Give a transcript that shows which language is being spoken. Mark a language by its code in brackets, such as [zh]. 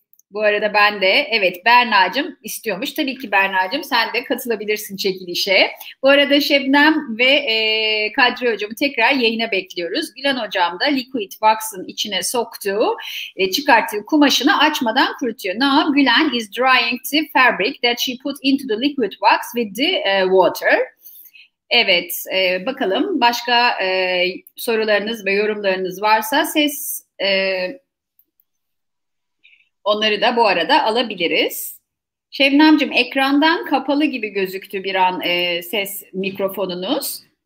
[tr] Bu arada ben de, evet Berna'cığım istiyormuş. Tabii ki Berna'cığım sen de katılabilirsin çekilişe. Bu arada Şebnem ve Kadri Hocam'ı tekrar yayına bekliyoruz. Gülen Hocam da liquid wax'ın içine soktuğu, çıkarttığı kumaşını açmadan kurutuyor. [en] Now Gülen is drying the fabric that she put into the liquid wax with the water. [tr] Evet, bakalım başka sorularınız ve yorumlarınız varsa ses Onları da bu arada alabiliriz. Şebnem'cim, ekrandan kapalı gibi gözüktü bir an ses mikrofonunuz.